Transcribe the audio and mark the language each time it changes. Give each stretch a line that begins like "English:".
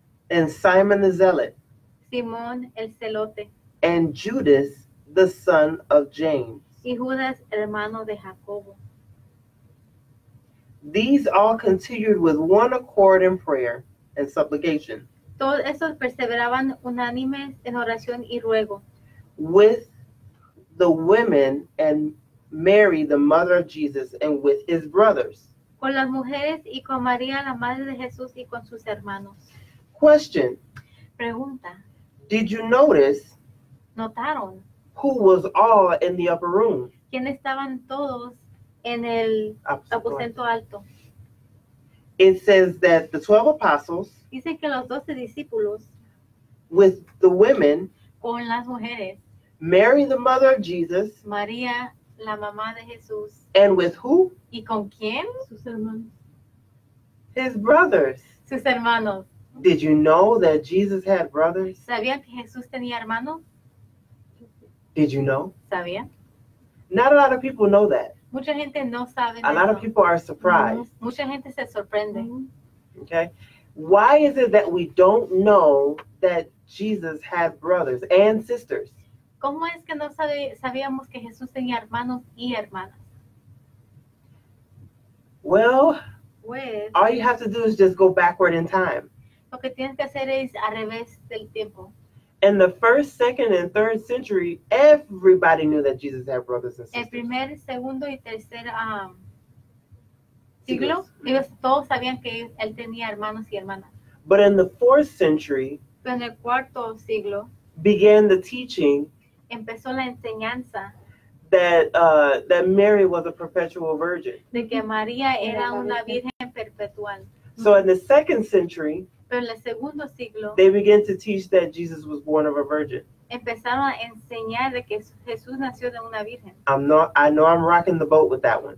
English: And Simon the Zealot.
Spanish: Simón el Zelote.
English: And Judas, the son of James.
Spanish: Y Judas, hermano de Jacobo.
English: These all continued with one accord in prayer and supplication.
Spanish: Todos esos perseveraban unánimes en oración y ruego.
English: With the women and Mary, the mother of Jesus, and with his brothers.
Spanish: Con las mujeres y con María, la madre de Jesús, y con sus hermanos.
English: Question.
Spanish: Pregunta.
English: Did you notice?
Spanish: Notaron.
English: Who was all in the upper room?
Spanish: ¿Quién estaban todos en el aposento alto?
English: It says that the 12 apostles.
Spanish: Dice que los 12 discípulos.
English: With the women.
Spanish: Con las mujeres.
English: Mary, the mother of Jesus.
Spanish: María, la mamá de Jesús.
English: And with who?
Spanish: ¿Y con quién? Sus hermanos.
English: His brothers.
Spanish: Sus hermanos.
English: Did you know that Jesus had brothers?
Spanish: ¿Sabían que Jesús tenía hermanos?
English: Did you know?
Spanish: ¿Sabían?
English: Not a lot of people know that.
Spanish: Mucha gente no sabe.
English: A lot of people are surprised.
Spanish: Mm-hmm. Mucha gente se sorprende.
English: Okay. Why is it that we don't know that Jesus had brothers and sisters?
Spanish: ¿Cómo es que no sabíamos que Jesús tenía hermanos y hermanas?
English: Well, with, all you have to do is just go backward in time.
Spanish: Lo que tienes que hacer es al revés del tiempo.
English: In the first, second, and third century, everybody knew that Jesus had brothers and sisters.
Spanish: El primer, segundo, y tercer siglo, ellos todos sabían que él tenía hermanos y hermanas.
English: But in the fourth century,
Spanish: en el cuarto siglo,
English: began the teaching,
Spanish: empezó la enseñanza,
English: that Mary was a perpetual virgin.
Spanish: De que María era una virgen perpetual.
English: So in the second century,
Spanish: pero en el segundo siglo,
English: they began to teach that Jesus was born of a virgin.
Spanish: Empezaron a enseñar de que Jesús nació de una virgen.
English: I know I'm rocking the boat with that one.